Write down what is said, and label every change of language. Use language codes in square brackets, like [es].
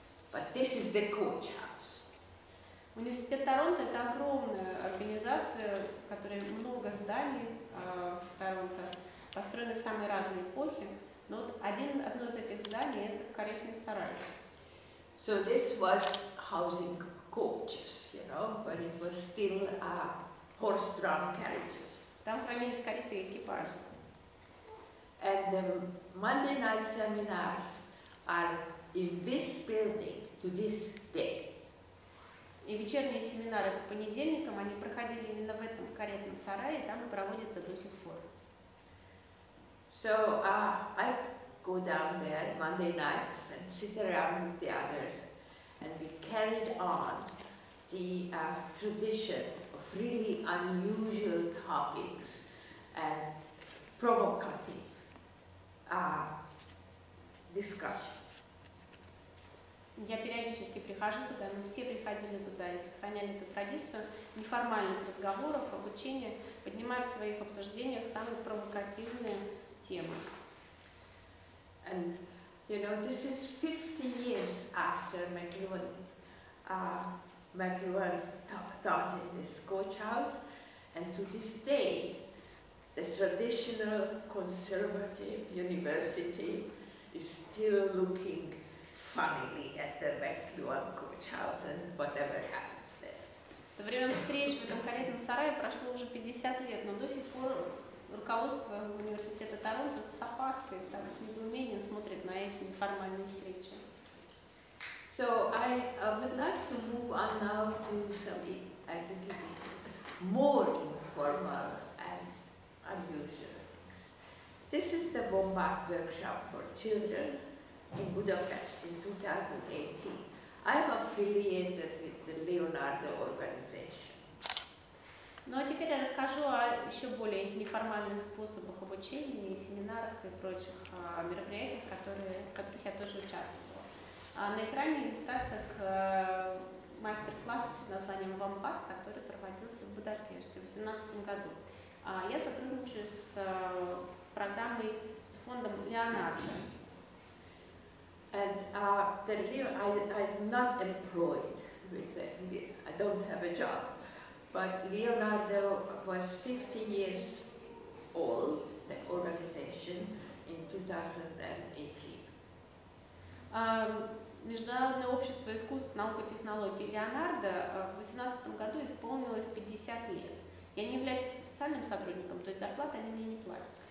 [en] But this is the coach house. [ru] Университет Торонто – это огромная организация, которая много зданий в Торонто, построенных в самые разные эпохи. Но одно из этих зданий – это каретный сарай. [en] So this was housing coaches, you know, but it was still horse-drawn carriages. [ru] Там хранились кареты и экипажи. [en] And the Monday night seminars are in this building. To this day. [ru] И вечерние семинары по понедельникам они проходили именно в этом каретном сарае, там и проводятся до сих пор. [en] So I go down there Monday nights and sit around with the others, and we carried on the tradition of really unusual topics and provocative discussion. [ru] Я периодически прихожу туда, мы все приходили туда и сохраняли эту традицию неформальных разговоров, обучения, поднимая в своих обсуждениях самые провокативные темы. [en] And, you know, this is 50 years after McLuhan, McLuhan taught in this coach house, and to this day, the traditional conservative university is still looking funnily at the McLuhan coach house and whatever happens there. [ru] Со времен встреч в этом каретном сарае прошло уже 50 лет, но до сих пор руководство университета Торонто с опаской, так, с недоумением смотрит на эти неформальные встречи. [en] So I would like to move on now to some a little bit more informal and unusual things. This is the Bombach workshop for children in Budapest in 2018. I'm affiliated with the Leonardo organization. [ru] Ну а теперь я расскажу о еще более неформальных способах обучения и семинарах и прочих мероприятиях, в которых я тоже участвовала. На экране иллюстрация к мастер-классу под названием «Вамбах», который проводился в Будапеште в 2018 году. Я сотрудничаю с программой, с фондом Леонардо. [en] And I'm not employed with it. I don't have a job. But Leonardo was 50 years old, the organization, in 2018. [ru] Международное общество искусств, наук и технологий Леонардо в 2018 году исполнилось 50 лет. Я не являюсь официальным сотрудником, то есть зарплаты они мне не платят.